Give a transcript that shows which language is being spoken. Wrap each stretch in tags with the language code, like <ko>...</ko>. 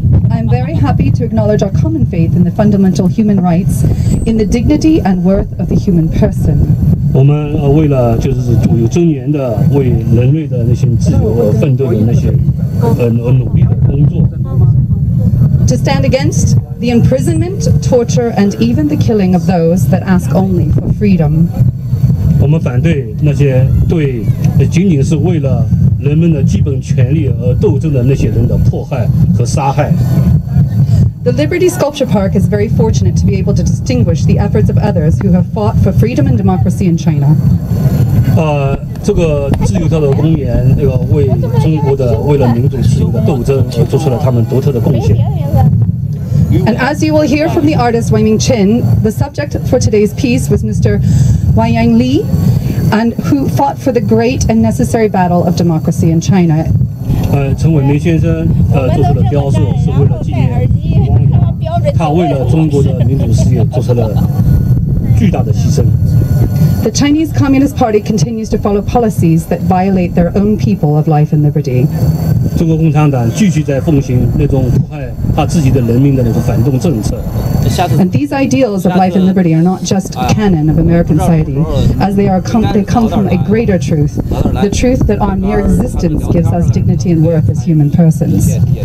<en>I'm very happy to acknowledge our common faith in the fundamental human rights, in the dignity and worth of the human person.</en> <zh>我们为了就是有尊严的为人类的那些自由而奋斗的那些而努力的工作。</zh> <en>To stand against the imprisonment, torture, and even the killing of those that ask only for freedom.</en> <zh>我们反对那些对仅仅是为了人们的基本权利而斗争的那些人的迫害和杀害。</zh> <en>The Liberty Sculpture Park is very fortunate to be able to distinguish the efforts of others who have fought for freedom and democracy in China.</en> <zh>这个自由调查公园，为中国的为了民主自由的斗争而做出了他们独特的贡献。</zh> <en>And as you will hear from the artist Wei Ming Chin, the subject for today's piece was Mr. Wei Yang Li. And who fought for the great and necessary battle of democracy in China?</en> <zh>陈伟明先生做出了雕塑，是为了纪念他为了中国的民主事业做出了巨大的牺牲。</zh> <en>The Chinese Communist Party continues to follow policies that violate their own people of life and liberty.</en> <zh>中国共产党继续在奉行那种迫害他自己的人民的那种反动政策。</zh> <en>And these ideals of life and liberty are not just canon of American society, as they come from a greater truth, the truth that our mere existence gives us dignity and worth as human persons.</en>